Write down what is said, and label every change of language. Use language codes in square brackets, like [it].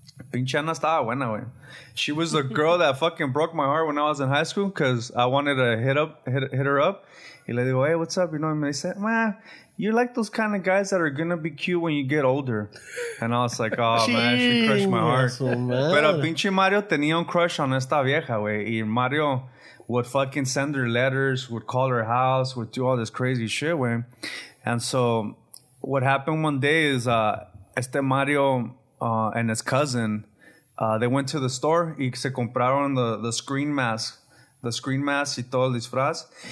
[es] Pinche Ana estaba buena, güey. [en] She was the girl that fucking broke my heart when I was in high school because I wanted to hit her up. [es] Y le digo, [en] hey, what's up? You know, and they said, man, you're like those kind of guys that are going to be cute when you get older. And I was like, oh, man, she crushed my heart. [es] Pero pinche Mario tenía un crush on esta vieja, güey. [en] Y Mario would fucking send her letters, would call her house, would do all this crazy shit, güey. And so what happened one day is Mario and his cousin, they went to the store [es] y se compraron [en] the screen mask y todo el disfraz.